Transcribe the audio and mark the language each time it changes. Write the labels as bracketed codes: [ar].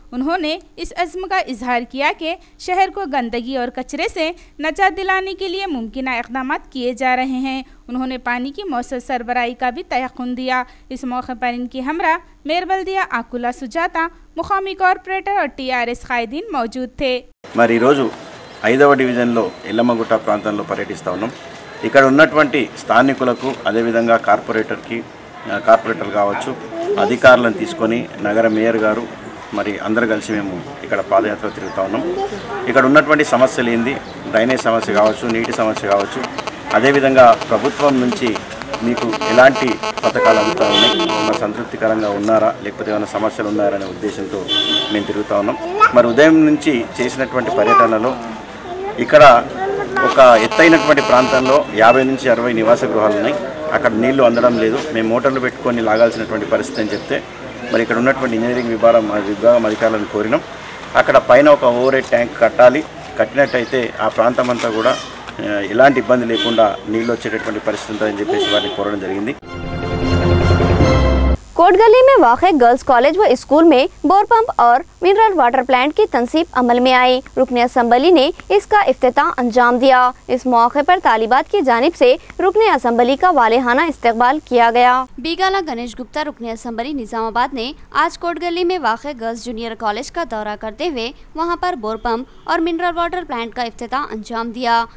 [hi] उन्होंने इस अज़्म का इजहार किया कि शहर को गंदगी और कचरे से नजात दिलाने के लिए मुमकिन इकदाम किए जा रहे हैं। उन्होंने पानी की मौसर सरबराई का भी तयक़ुन दिया। इस मौके पर इनकी हमरा मेयर बल्दिया आकुला सुजाता, मुखामी कॉर्पोरेटर और TRS कायदीन मौजूद थे। [te] मरी रोजु 5వ డివిజన్ లో ఎల్లమగుట్ట ప్రాంతంలో పర్యటిస్తా ఉన్నాం। ఇక్కడ ఉన్నటువంటి స్థానికులకు అదే విధంగా కార్పొరేటర్ కి కార్పొరేటర్ కావచ్చు అధికారులను తీసుకొని నగర మేయర్ గారు మరి అందరు కలిసి మేము ఇక్కడ పాదయాత్ర తిరుగుతా ఉన్నాం। ఇక్కడ ఉన్నటువంటి సమస్యలు ఏంది, డ్రైనేజ్ సమస్య కావచ్చు, నీటి సమస్య కావచ్చు, అదే విధంగా ప్రభుత్వం నుంచి మీకు ఎలాంటి పథకాలు అందుతా ఉన్నాయి, మరి సంతృప్తికరంగా ఉన్నారా, లేకపోతే ఏమైనా సమస్యలు ఉన్నారా అనే ఉద్దేశంతో మేము తిరుగుతా ఉన్నాం। మరి ఉదయం నుంచి చేసినటువంటి పర్యటనలో ఇక్కడ ఒక ఎత్తైనటువంటి ప్రాంతంలో 50 నుంచి 60 నివాస గృహాలు ఉన్నాయి, అక్కడ నీళ్లు అందడం లేదు, మేము మోటార్లు పెట్టుకొని లాగాల్సినటువంటి పరిస్థితి అని చెప్తే మరి ఇక్కడ ఉన్నటువంటి ఇంజనీరింగ్ విభాగం అధికారులను కోరినాం। అక్కడ పైన ఒక ఓవర్హెడ్ ట్యాంక్ కట్టాలి, కట్టినట్టయితే ఆ ప్రాంతం అంతా కూడా ఎలాంటి ఇబ్బంది లేకుండా నీళ్లు వచ్చేటటువంటి పరిస్థితి ఉంటుందని చెప్పేసి వారిని కోరడం జరిగింది। [hi] कोट गली में वाक़े गर्ल्स कॉलेज व स्कूल में बोर पंप और मिनरल वाटर प्लांट की तंसीब अमल में आई। रुकन असेंबली ने इसका इफ्तिताह अंजाम दिया। इस मौके पर तालिबात की जानिब से रुकन असेंबली का वालेहाना इस्तकबाल किया गया। बीगाला गणेश गुप्ता रुकन असेंबली निजामाबाद ने आज कोट गली में वाक़े गर्ल्स जूनियर कॉलेज का दौरा करते हुए वहाँ पर बोर पंप और मिनरल वाटर प्लांट का इफ्तिताह अंजाम दिया।